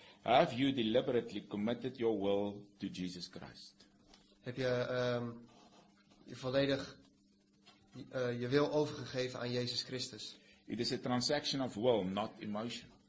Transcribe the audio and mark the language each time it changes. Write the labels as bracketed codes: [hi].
[en] Have you deliberately committed your will to Jesus Christ? [nl] Heb je volledig je wil overgegeven aan Jezus Christus? [en] It is a transaction of will, not emotion.